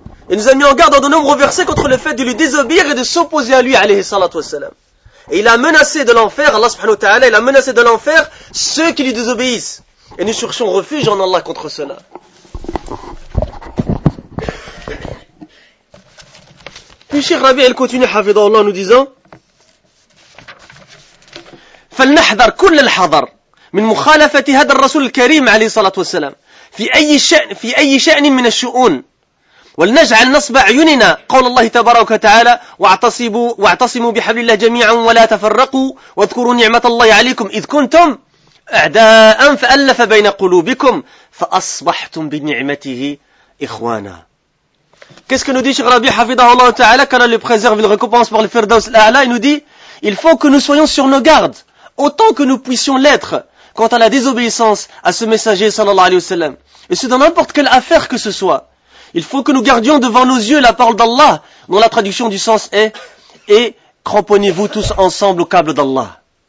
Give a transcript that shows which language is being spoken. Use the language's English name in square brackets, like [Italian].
[French] Il nous a mis en garde dans de nombreux versets contre le fait de lui désobéir et de s'opposer à lui, alayhi salatu wassalam. Et il a menacé de l'enfer, Allah subhanahu wa ta'ala, il a menacé de l'enfer ceux qui lui désobéissent. Et nous cherchons refuge en Allah contre cela. Puis Cheikh Rabi, elle continue, hafidhahullah, en nous disant, [Arabic] فلنحذر كل الحذر من مخالفة هذا الرسول الكريم عليه الصلاة والسلام في أي شأن من الشؤون ولنجعل نصب عيوننا قول الله تبارك وتعالى واعتصموا بحبل الله جميعا ولا تفرقوا واذكروا نعمة الله عليكم إذ كنتم أعداء فألف بين قلوبكم فأصبحتم بنعمته إخوانا. [French] Qu'est-ce que nous dit Cheikh Rabi Hafidahullah Ta'ala quand on le préserve, il récompense par le Firdaus Al-A'la? Il nous dit, il faut que nous soyons sur nos gardes, autant que nous puissions l'être, quant à la désobéissance à ce messager sallallahu alayhi wa sallam. Et c'est dans n'importe quelle affaire que ce soit. Il faut que nous gardions devant nos yeux la parole d'Allah, dont la traduction du sens est, et cramponnez-vous tous ensemble au câble d'Allah.